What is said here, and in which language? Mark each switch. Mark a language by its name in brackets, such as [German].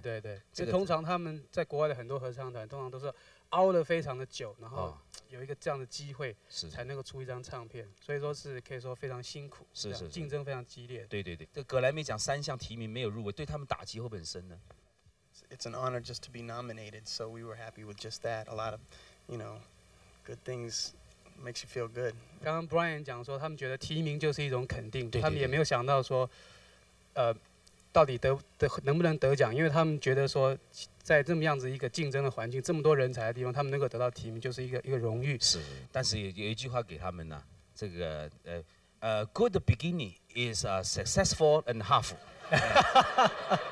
[Chinese] 对对对，这通常他们在国外的很多合唱团，通常都是熬了非常的久，然后。有一个这样的机会，是才能够出一张唱片，所以说是可以说非常辛苦，是是，竞争非常激烈。对对对，这格莱美奖三项提名没有入围，对他们打击会不会很深呢 [English] ？It's an honor just to be nominated, so we were happy with just that. A lot of, you know, good things makes you feel good. [Chinese] 刚刚 Brian 讲说，他们觉得提名就是一种肯定，对对对，他们也没有想到说，到底得能不能得奖，因为他们觉得说。在这么样子一个竞争的环境，这么多人才的地方，他们能够得到提名，就是一个荣誉。是，但是有一句话给他们呢、啊，这个 [English] good beginning is a successful and half 。